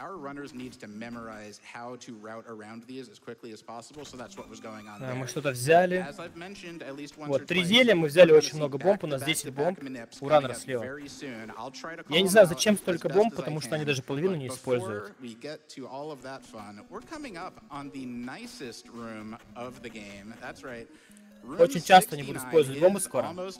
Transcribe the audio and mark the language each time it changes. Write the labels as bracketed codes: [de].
[en] Our runners need to memorize how to route around these as quickly as possible, so that's what was going on there. [ru] Мы что-то взяли. [en] As I've mentioned, at least once [ru] вот, три зелья, мы взяли очень много бомб, у нас 10 бомб, у раннера слева. Я не знаю, зачем столько бомб, потому что они даже половину не используют. [en] Before we get to all of that fun, we're coming up on the nicest room of the game. That's right. [ru] Очень часто они будут использовать бомбы скоро.